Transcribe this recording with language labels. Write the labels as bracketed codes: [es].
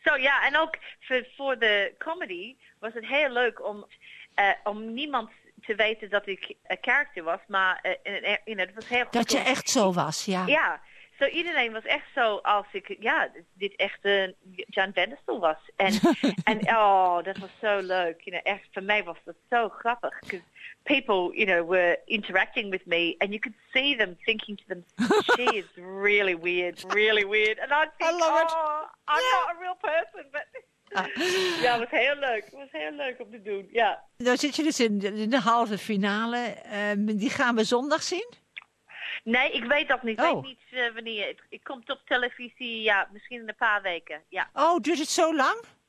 [nl] Zo, ja, en ook voor de comedy was het heel leuk om niemand te weten dat ik een character was, maar het was heel goed. Dat je echt zo was, ja. Ja. Zo, iedereen was echt zo als ik, dit echt Jan van der Stoel was. En dat was zo leuk. [en] You know, [nl] echt, voor mij was dat zo grappig. [en] Because people, you know, were interacting with me. And you could see them thinking to them, she is really weird, really weird. And I'd think, I'm not a real person. [nl] But het was heel leuk om te doen, ja. Nou zit je dus in de halve finale. Die gaan we zondag zien. Nee, ik weet dat niet. Ik weet niet wanneer. Ik kom op televisie, misschien in een paar weken. Ja. Oh, duurt het zo lang?